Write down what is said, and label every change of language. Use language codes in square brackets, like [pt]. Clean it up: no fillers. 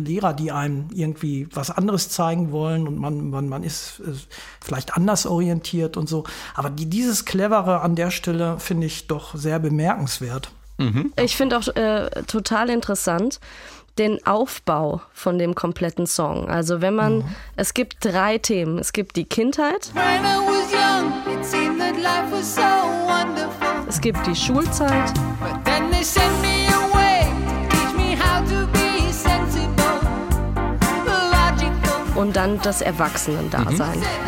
[de] Lehrer, die einem irgendwie was anderes zeigen wollen und man ist vielleicht anders orientiert und so. Aber dieses Clevere an der Stelle finde ich doch sehr bemerkenswert. Ich finde auch total interessant den Aufbau von dem kompletten Song. Also wenn man, es gibt drei Themen. Es gibt die Kindheit. [en] When I was young, it seemed that life was so wonderful. [de] Es gibt die Schulzeit. [en] But then they sent me away, teach me how to be sensible, logical. [de] Und dann das Erwachsenen-Dasein.